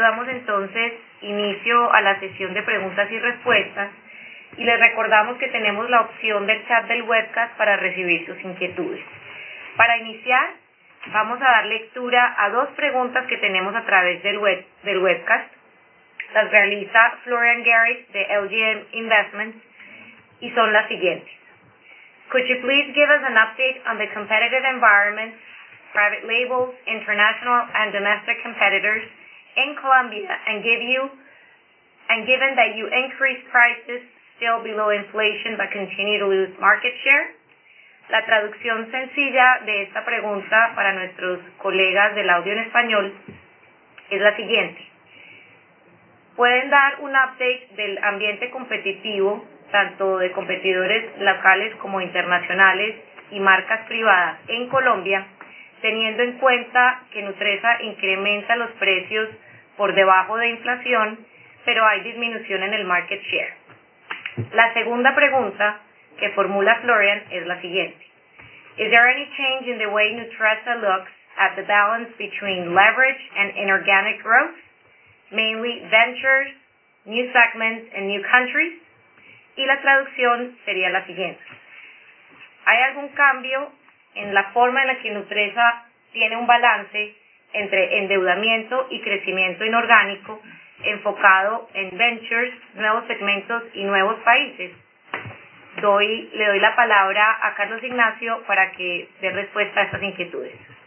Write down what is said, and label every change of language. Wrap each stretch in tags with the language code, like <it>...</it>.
<es>Damos entonces inicio a la sesión de preguntas y respuestas y les recordamos que tenemos la opción del chat del webcast para recibir sus inquietudes. Para iniciar, vamos a dar lectura a dos preguntas que tenemos a través del webcast. Las realiza Florian Garrett de LGM Investments y son las siguientes.</es> <en>Could you please give us an update on the competitive environment, private labels, international and domestic competitors in Colombia and given that you increase prices still below inflation but continue to lose market share?</en> <es>La traducción sencilla de esta pregunta para nuestros colegas del audio en español es la siguiente. ¿Pueden dar un update del ambiente competitivo, tanto de competidores locales como internacionales y marcas privadas en Colombia, teniendo en cuenta que Nutresa incrementa los precios por debajo de inflación, pero hay disminución en el market share? La segunda pregunta que formula Florian es la siguiente.</es> <en>Is there any change in the way Nutresa looks at the balance between leverage and inorganic growth, mainly ventures, new segments, and new countries?</en> <es>Y la traducción sería la siguiente. ¿Hay algún cambio en la forma en la que Nutresa tiene un balance entre endeudamiento y crecimiento inorgánico enfocado en ventures, nuevos segmentos y nuevos países? Le doy la palabra a Carlos Ignacio para que dé respuesta a estas inquietudes.</es>